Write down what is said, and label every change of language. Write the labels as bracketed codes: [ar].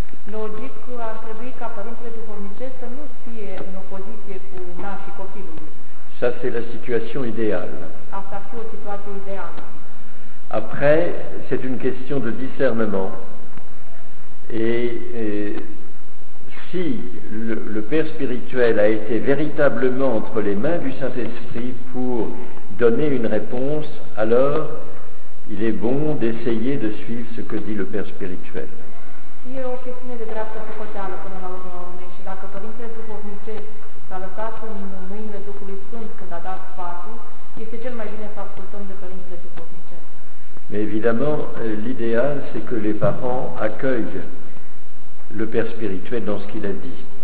[ro] Logic ar trebui ca părintele duhovnicesc să nu fie în opoziție cu nașii copilului. [fr] Ça c'est la situation idéale. [ro] Asta ar fi o situație ideală. [fr] Après, c'est une question de discernement. Et si le Père spirituel a été véritablement entre les mains du Saint-Esprit pour donner une réponse, alors il est bon d'essayer de suivre ce que dit le Père spirituel. [ro] E o chestiune de dreapta socoteală până la urmă, și dacă Părintele Duhovnicesc s-a lăsat în mâinile Duhului Sfânt când a dat sfatul, este cel mai bine să ascultăm de Părintele Duhovnicesc. [fr] Mais évidemment, l'idéal, c'est que les parents accueillent le Père spirituel dans ce qu'il a dit.